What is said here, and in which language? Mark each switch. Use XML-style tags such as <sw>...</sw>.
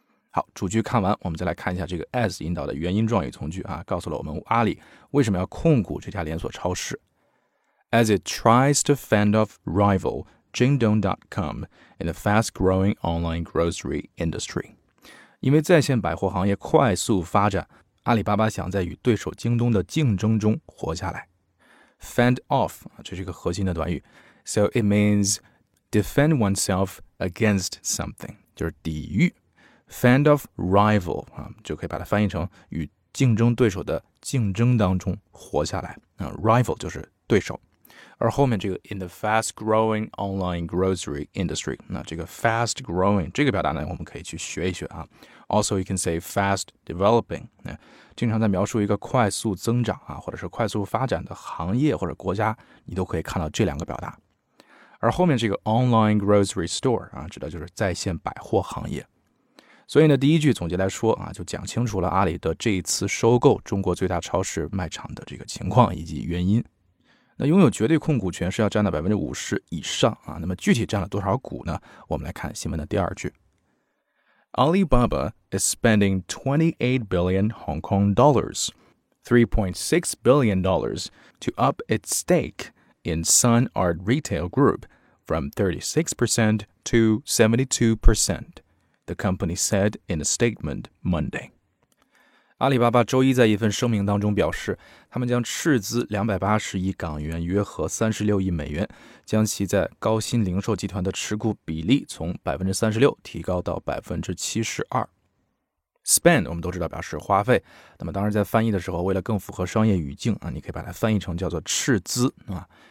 <zh>好，主句看完，我们再来看一下这个 as 引导的原因状语从句啊，告诉了我们阿里为什么要控股这家连锁超市。</zh> <en>As it tries to fend off rival Jingdong.com in the fast-growing online grocery industry.</en> <zh>因为在线百货行业快速发展，阿里巴巴想在与对手京东的竞争中活下来。 Fend off, 这是一个核心的短语。</zh> <en>So it means defend oneself against something,</en> <zh>就是抵御。</zh> <en>Fend off rival,</en> <zh>就可以把它翻译成与竞争对手的竞争当中活下来、Rival 就是对手。而后面这个</zh> <en>in the fast growing online grocery industry,</en> <zh>那这个 fast growing, 这个表达呢我们可以去学一学啊。</zh> <en>Also, you can say fast developing,</en> <zh>经常在描述一个快速增长啊或者是快速发展的行业或者国家，你都可以看到这两个表达。而后面这个</zh> <en>online grocery store,</en> <zh>啊指的就是在线百货行业。所以呢第一句总结来说啊就讲清楚了阿里的这一次收购中国最大超市卖场的这个情况以及原因。那拥有绝对控股权是要占到 50% 以上啊，那么具体占了多少股呢？我们来看新闻的第二句。</zh> <en>Alibaba is spending $28 billion Hong Kong dollars, $3.6 billion to up its stake in Sun Art Retail Group from 36% to 72%, the company said in a statement Monday.</en> <zh>阿里巴巴周一在一份声明当中表示，他们将斥资280亿港元，约合36亿美元，将其在高新零售集团的持股比例从36%提高到72%。 Spend 我们都知道表示花费，那么当时在翻译的时候，为了更符合商业语境啊，你可以把它翻译成叫做斥资啊。</zh>